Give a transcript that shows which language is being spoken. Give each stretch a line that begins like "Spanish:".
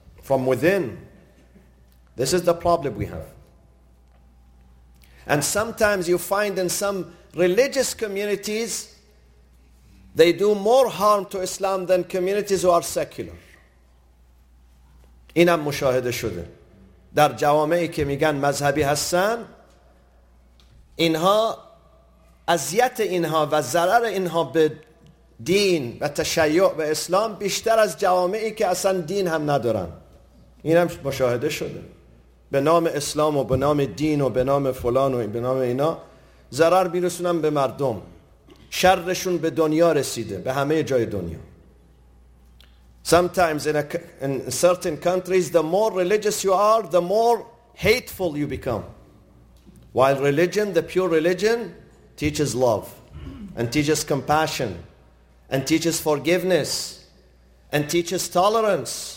English: From within, this is the problem we have. And sometimes you find in some religious communities, they do more harm to Islam than communities who are secular.
Persian: اینم مشاهده شده. در جوامعی که میگن مذهبی هستن، اینها اذیت اینها و ضرر اینها به دین و تشیع به اسلام بیشتر از جوامعی که اصلا دین هم ندارن. این هم مشاهده شده. به نام اسلام و به نام دین و به نام فلان و به نام اینا ضرر میرسونن به مردم. شرشون به دنیا رسیده. به همه جای دنیا.
English: Sometimes in certain countries, the more religious you are, the more hateful you become. While religion, the pure religion, teaches love and teaches compassion and teaches forgiveness and teaches tolerance.